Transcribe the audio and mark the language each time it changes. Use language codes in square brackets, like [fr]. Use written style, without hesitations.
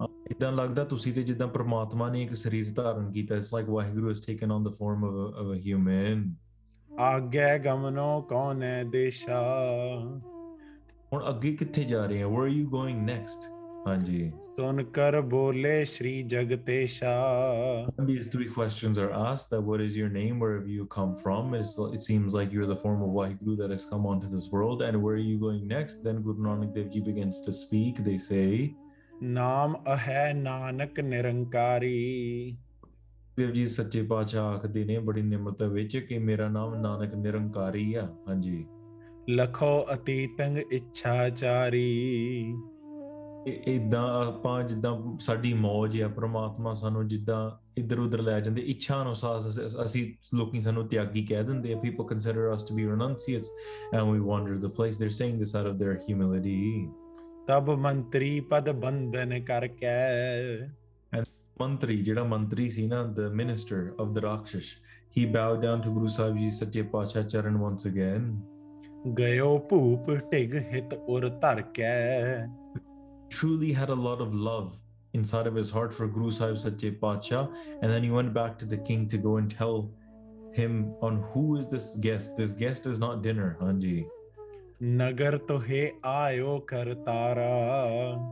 [pa] ਇਦਾਂ ਲੱਗਦਾ ਤੁਸੀਂ ਤੇ ਜਿੱਦਾਂ ਪ੍ਰਮਾਤਮਾ ਨੇ ਇੱਕ ਸਰੀਰ ਧਾਰਨ ਕੀਤਾ, [en] It's like Waheguru has taken on the form of a human. [pa] ਆਗੇ ਗਮਨੋ ਕੌਣੈ ਦੇਸ਼ਾ। ਹੁਣ ਅੱਗੇ ਕਿੱਥੇ ਜਾ ਰਹੇ ਹੋ, [en] Where are you going next? [pa] ਹਾਂਜੀ ਸੁਣ ਕਰ ਬੋਲੇ ਸ਼੍ਰੀ ਜਗਤੇਸ਼ਾ। [en] These three questions are asked, that what is your name, where have you come from? It seems like you're the form of Waheguru that has come onto this world, and where are you going next? Then Guru Nanak Dev Ji begins to speak. They say, [pa] ਨਾਮ ਅਹੈ ਨਾਨਕ ਨਿਰੰਕਾਰੀ। ਦੇਵ ਜੀ ਸੱਚੇ ਪਾਤਸ਼ਾਹ ਆਖਦੇ ਨੇ ਬੜੀ ਨਿਮਰਤਾ ਵਿੱਚ ਕਿ ਮੇਰਾ ਨਾਮ ਨਾਨਕ ਨਿਰੰਕਾਰੀ ਆ। ਹਾਂਜੀ ਲਖੋ ਅਤੀਤੰਗ ਇੱਛਾਚਾਰੀ। ਇੱਦਾਂ ਆਪਾਂ ਜਿੱਦਾਂ ਸਾਡੀ ਮੌਜ ਆ, ਪਰਮਾਤਮਾ ਸਾਨੂੰ ਜਿੱਦਾਂ ਇੱਧਰ ਉੱਧਰ ਲੈ ਜਾਂਦੇ ਇੱਛਾ ਅਨੁਸਾਰ, ਅਸੀਂ ਲੋਕੀ ਸਾਨੂੰ ਤਿਆਗੀ ਕਹਿ ਦਿੰਦੇ ਆ, [en] People consider us to be renunciates and we wander the place, they are saying this out of their humility. [pa] ਤਬ ਮੰਤਰੀ ਪਦ ਬੰਦਨ ਕਰ ਕੇ। ਮੰਤਰੀ ਜਿਹੜਾ ਮੰਤਰੀ ਸੀ ਨਾ, [en] the minister of the rakshasas, he bowed down to [pa] Guru Sahib ji ਸੱਚੇ ਪਾਤਸ਼ਾਹ ਚਰਨ [en] Once again. [pa] ਗਇਓ ਭੂਪ ਢਿਗ ਹਿਤ ਉਰ ਧਰ ਕੇ। [en] Truly had a lot of love inside of his heart for Guru Sahib Sache Patshah, and then he went back to the king to go and tell him on who is this guest. This guest is not dinner. [pa] Hanji nagar to he ayo kartara.